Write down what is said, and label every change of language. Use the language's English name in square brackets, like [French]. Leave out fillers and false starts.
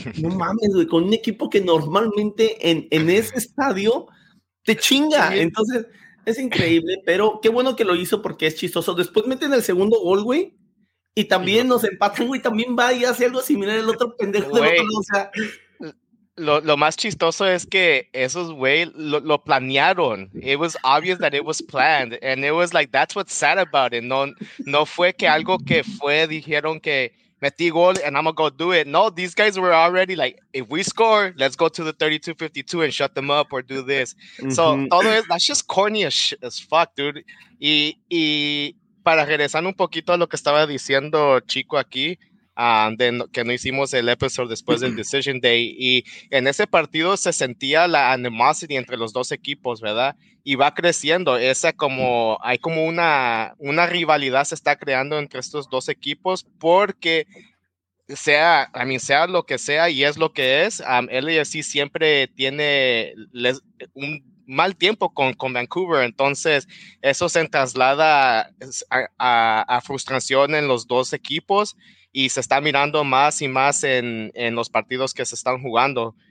[Spanish] No mames, güey, con un equipo que normalmente en ese estadio te chinga, entonces es increíble, pero qué bueno que lo hizo porque es chistoso. Después meten el segundo gol, güey, y también nos empatan, güey, también va y hace algo similar el otro pendejo, güey, de otro lado, o sea. Lo más chistoso es que esos güey lo planearon. [English] It was obvious that it was planned, and it was like, that's what's sad about it. [Spanish] No fue que algo que fue, dijeron que metí gol [English] and I'm gonna go do it. No, these guys were already like, if we score, let's go to the 32-52 and shut them up or do this. So, [Spanish] todo eso, [English] that's just corny as fuck, dude. [Spanish] Y para regresar un poquito a lo que estaba diciendo Chico aquí, que no hicimos el episode después del Decision Day, y en ese partido se sentía la animosity entre los dos equipos, ¿verdad? Y va creciendo, esa como, hay como una rivalidad se está creando entre estos dos equipos, porque sea lo que sea, y es lo que es, LAFC siempre tiene un mal tiempo con Vancouver, entonces eso se traslada a frustración en los dos equipos, y se está mirando más y más en los partidos que se están jugando.